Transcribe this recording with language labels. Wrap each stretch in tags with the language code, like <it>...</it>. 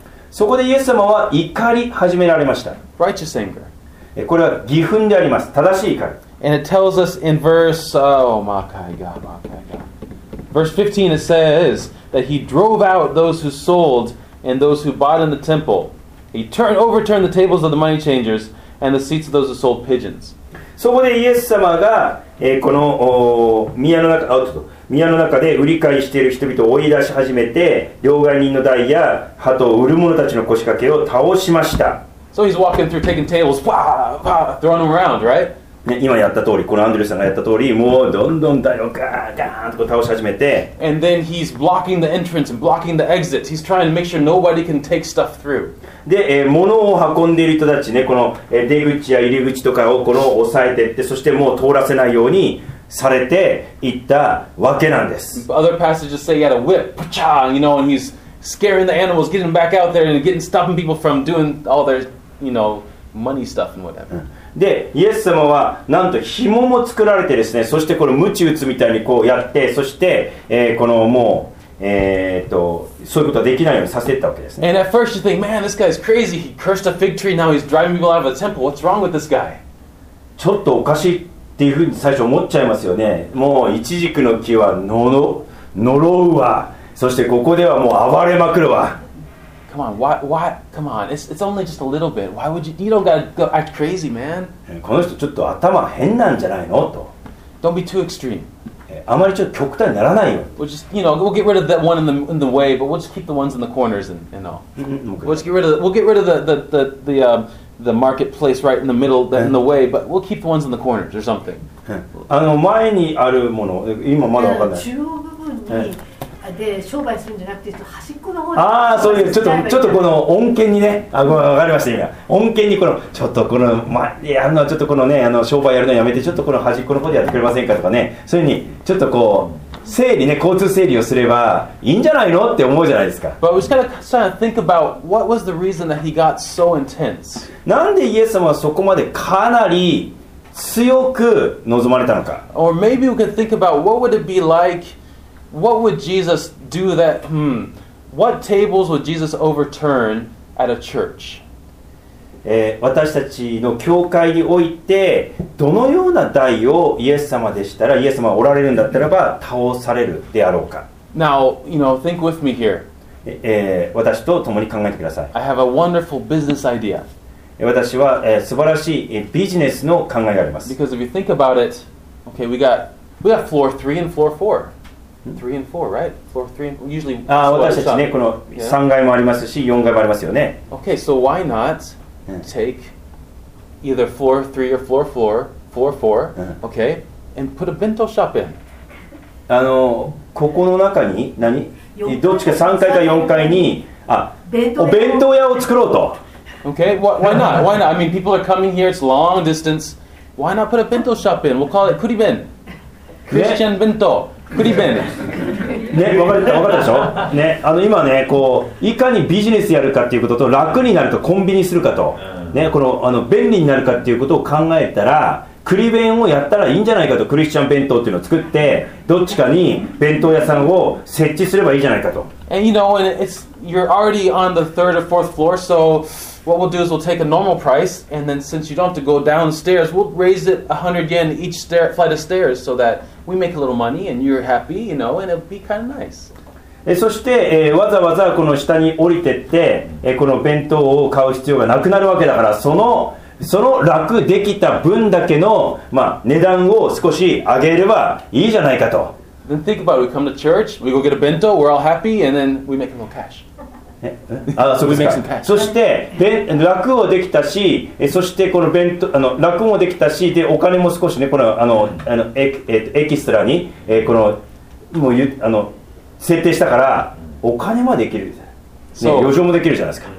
<ja>そこでイエス様は怒り始められました。</ja> <en>Righteous anger.</en> <ja>これは義憤であります。正しい怒り。</ja> <en>And it tells us in verse 15, it says that he drove out those who sold and those who bought in the temple. He overturned the tables of the money changers and the seats of those who sold pigeons.</en> <ja>そこでイエス様が、この宮の中で売り買いしている人々を追い出し始めて、両替人の台や鳩を売る者たちの腰掛けを倒しました。</ja> <en>So he's walking through taking tables, wah, wah, throwing them around, right?</en> <ja>今やった通り、このアンドリューさんがやった通り、もうどんどん台をガーガーンと倒し始めて、</ja> <en>And then he's blocking the entrance and blocking the exit. He's trying to make sure nobody can take stuff through.</en> <ja>で、物を運んでいる人たちね、この出口や入り口とかをこの押さえてって、そしてもう通らせないようにされていったわけなんです。</ja> <en>Other passages say he had a whip, pcha, you know, and he's scaring the animals, getting back out there and getting stopping people from doing all their, you know, money stuff and whatever.、う</en> <ja>んでイエス様はなんと紐も作られてですね、そしてこれ鞭打つみたいにこうやって、そして、このもう、そういうことはできないようにさせてたわけですね。</ja> <en>And at first you think, man, this guy is crazy. He cursed a fig tree, now he's driving people out of the temple. What's wrong with this guy?</en> <ja>ちょっとおかしいっていうふうに最初思っちゃいますよね。もうイチジクの木は呪うわ、そしてここではもう暴れまくるわ。</ja> <en>Come on, why? Come on, it's only just a little bit. Why would you don't gotta go act crazy, man?</en> <ja>この人ちょっと頭変なんじゃないのと。</ja> <en>Don't be too extreme.</en> <ja>あまりちょっと極端にならないよ。</ja> <en>We'll just, you know, we'll get rid of that one in the way, but we'll just keep the ones in the corners and you know. We'll get rid of the marketplace right in the middle, in the way, but we'll keep the ones in the corners or something.</en> <ja>前にあるもの、今まだわかんない。中央部分に。で商売するんじゃなくて端っこの方で、ああそういうちょっとこの恩恵にね、あ、分かりました、今恩恵にこのちょっとこの、まあ、やるのはちょっとこのね、あの商売やるのやめてちょっとこの端っこの方でやってくれませんかとかね、そういうふうにちょっとこう整理ね、交通整理をすればいいんじゃないのって思うじゃないですか。</ja> <en>But we just gotta start to think about what was the reason that he got so intense.</en> <ja>なんでイエス様はそこまでかなり強く望まれたのか。</ja> <en>Or maybe we could think about what would it be like, what would Jesus do that, what tables would Jesus overturn at a church?</en> <ja>私たちの教会においてどのような台をイエス様でしたら、イエス様がおられるんだったらば倒されるであろうか。</ja> <en>Now, you know, think with me here.</en> <ja>私と共に考えてください。</ja> <en>I have a wonderful business idea.</en> <ja>私は、素晴らしい、ビジネスの考えがあります。</ja> <en>Because if you think about it, okay, we got floor 3 and floor 4. 3 and 4, right? Floor 3 and 4, usually</en> <ja>あ、私たちね、この3階もありますし、4階もありますよね。</ja> <en>Okay, so why not take either floor 3 or floor 4, floor 4, okay, and put a bento shop in.</en> <ja>あの、ここの中に、何？どっちか3階か4階に、あ、お弁当屋を作ろうと。</ja> <en>Okay, why not? Why not? I mean, people are coming here, it's long distance. Why not put a bento shop in? We'll call it クリ弁。Christian bento. クリベン。</en> <ja>ね、分かるでしょ、ね、あの今ね、こう、いかにビジネスやるかっていうことと、楽になるとコンビニするかと、ね、この、あの、便利になるかっていうことを考えたら、クリベンをやったらいいんじゃないかと、クリスチャン弁当っていうのを作って、どっちかに弁当屋さんを設置すればいいじゃないかと。</ja> <en>And you know, and it's, you're already on the third or fourth floor, so what we'll do is we'll take a normal price, and then since you don't have to go downstairs, we'll raise it 100 yen each stair, flight of stairs, so that we make a little money, and you're happy, you know, and it'll be kind of nice.</en> <ja>そして、わざわざこの下に降りてって、この弁当を買う必要がなくなるわけだから、その楽できた分だけの、まあ、値段を少し上げればいいじゃないかと。</ja> <en>Then think about it. We come to church, we go get a bento, we're all happy, and then we make a little cash.</en> <ja>あ、そうですか。そして楽をできたし、そしてこの弁当、あの、楽もできたし、でお金も少しね、このあの、あの、エキストラに、このもう、あの、設定したからお金もできる、ね、</ja> <en>so,</en> <ja>余剰もできるじゃないですか。</ja>